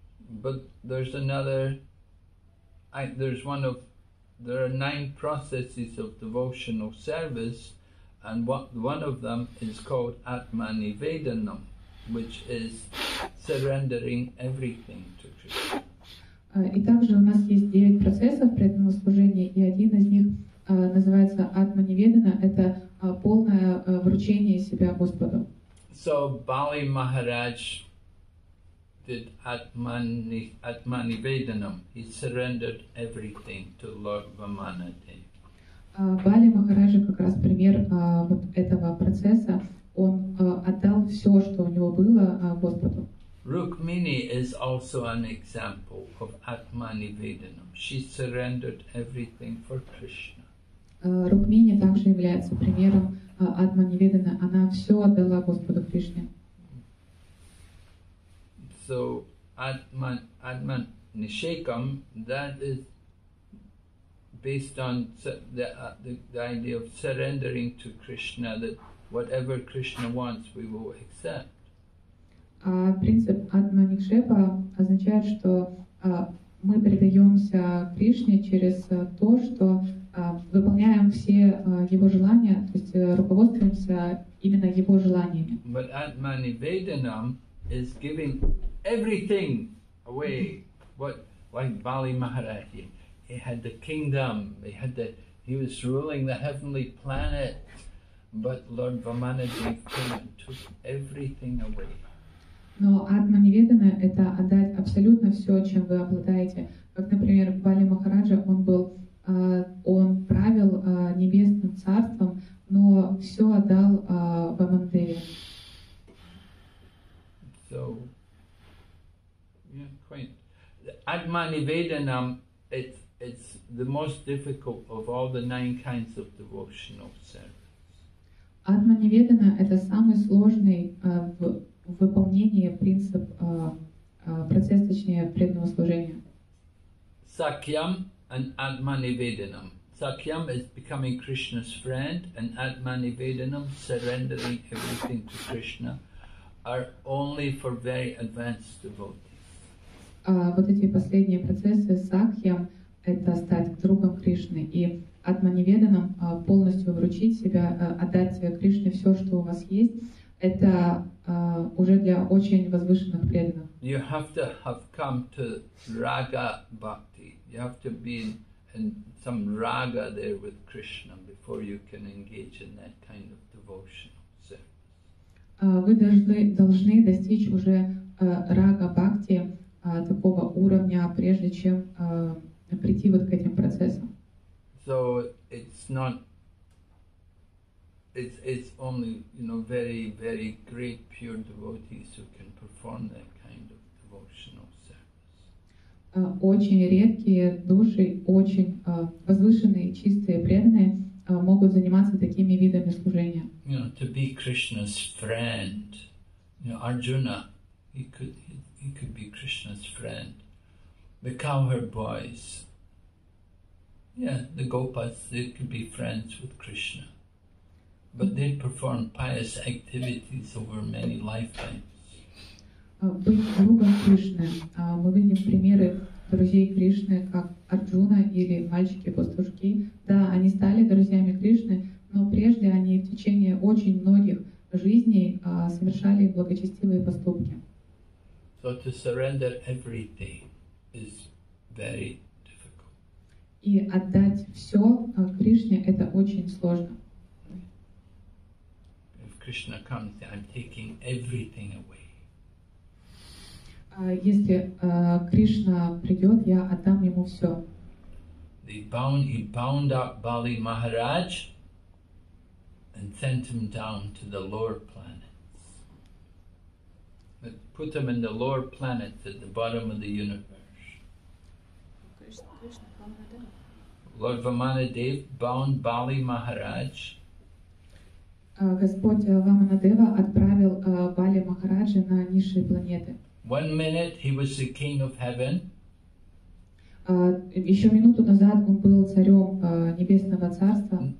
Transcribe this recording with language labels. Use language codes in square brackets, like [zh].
[en] But there's another, there's one of, there are nine processes of devotional service, and one of them is called Atmanivedanam, which is surrendering everything to Krishna. [ru] И также у нас есть девять процессов преданного служения, и один из них называется Атманиведана, это полное вручение себя Господу. [en] So Bali Maharaj did Atmanivedanam. He surrendered everything to Lord Vamanadev. [ru] Bali Maharaja как раз пример вот этого процесса. Он отдал все, что у него было, Господу. [en] Rukmini is also an example of Atmanivedanam. She surrendered everything for Krishna. [ru] Rukmini также является примером Атманиведана. Она все отдала Господу Кришне. [en] So Atman Nishekam, that is based on the idea of surrendering to Krishna, that whatever Krishna wants, we will accept. [ru] Принцип Atman Nishepa означает, что мы предаемся Кришне через то, что выполняем все его желания, то есть руководствуемся именно его желаниями. [en] But Atmanivedanam is giving everything away. What, like Bali Maharaj, he had the kingdom, he was ruling the heavenly planet, but Lord Vamanadev came and took everything away. [ru] Но Атманиведана — это отдать абсолютно все, чем вы обладаете. Как, например, Бали Махараджа, он правил небесным царством, но все отдал Вамандеве. [en] So, Атманиведанам — it's the most difficult of all the nine kinds of devotional service. [ru] Атманиведана — это самый сложный выполнение принцип процесс, точнее, преданного служения. [en] Сакьям and Атманиведанам. Сакьям is becoming Krishna's friend, and Атманиведанам, surrendering everything to Krishna, are only for very advanced devotees. [ru] Вот эти последние процессы, Сакьям — это стать другом Кришны, и Атманиведанам — полностью вручить себя, отдать Кришне все, что у вас есть. Это уже для очень возвышенных преданных. [en] You have to have come to Raga Bhakti. You have to be in some Raga there with Krishna before you can engage in that kind of devotional service. [ru] Вы должны достичь уже Raga Bhakti такого уровня, прежде чем прийти вот к этим процессам. [en] So it's not... It's only, you know, very, very great pure devotees who can perform that kind of devotional service. Очень редкие души, очень возвышенные, чистые, преданные могут заниматься такими видами служения. You know, to be Krishna's friend. You know, Arjuna, he could be Krishna's friend. The cowherd boys. Yeah, the gopas, they could be friends with Krishna. But they perform pious activities over many lifetimes. [ru] Быть другом Кришны. Мы видим примеры друзей Кришны, как Арджуна или мальчики-пастушки. Да, они стали друзьями Кришны, но прежде они в течение очень многих жизней совершали благочестивые поступки. [en] So to surrender everything is very difficult. [ru] И отдать все Кришне — это очень сложно. [en] Krishna comes, I'm taking everything away. [ru] Если Кришна придет, я отдам ему все. [en] He bound up Bali Maharaj and sent him down to the lower planets. But put him in the lower planets at the bottom of the universe. Krishna Lord Vamanadev bound Bali Maharaj. [ru] Господь Ваманадева отправил Бали Махараджа на низшие планеты. [en] One minute he was the king of heaven. [ru] Еще минуту назад он был царем небесного царства.